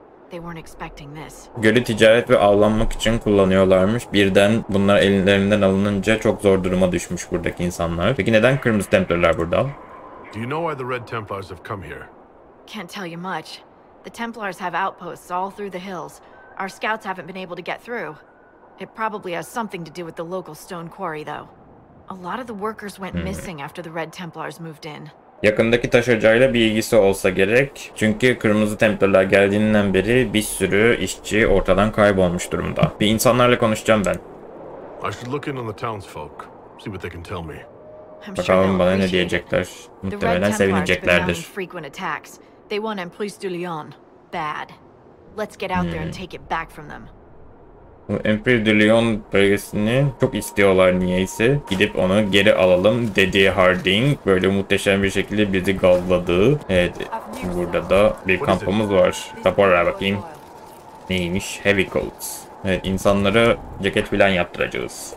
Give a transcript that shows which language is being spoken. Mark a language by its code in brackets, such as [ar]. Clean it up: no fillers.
[en] They weren't expecting this. [tr] Gölü ticaret ve avlanmak için kullanıyorlarmış. Birden bunlar ellerinden alınınca çok zor duruma düşmüş buradaki insanlar. Peki neden Kırmızı Templar'lar burada? [en] Do you know why the Red Templars have come here? Can't tell you much. The Templars have outposts all through the hills. Our scouts haven't been able to get through. It probably has something to do with the local stone quarry though. A lot of the workers went missing after the Red Templars moved in. [tr] Yakındaki taş ocağıyla bir ilgisi olsa gerek. Çünkü Kırmızı Templar'lar geldiğinden beri bir sürü işçi ortadan kaybolmuş durumda. Bir insanlarla konuşacağım ben. [en] I should look in on the townsfolk, see what they can tell me. [tr] Bakalım bana ne diyecekler. Muhtemelen sevineceklerdir. [en] They want Empress de Lyon. Bad. Let's get out there and take it back from them. [tr] Bu Empress de Lyon bölgesini çok istiyorlar niyeyse. Gidip onu geri alalım dedi Harding. Böyle muhteşem bir şekilde bizi gazladı. Evet, burada da bir kampımız var. Raporlara bakayım. Neymiş? Heavy Coats. Evet, insanlara ceket falan yaptıracağız.